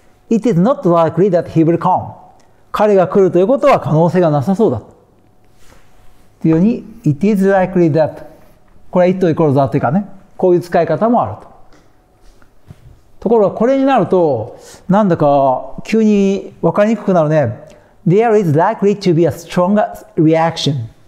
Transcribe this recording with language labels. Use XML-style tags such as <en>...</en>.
<en>it is not likely that he will come。</en> <ja>彼が来るということは可能性がなさそうだと。というように、</ja> <en>it is likely that.</en> <ja>これは it イコール that というかね、こういう使い方もあると。ところが、これになると、なんだか急に分かりにくくなるね。</ja> <en>there is likely to be a stronger reaction.</en>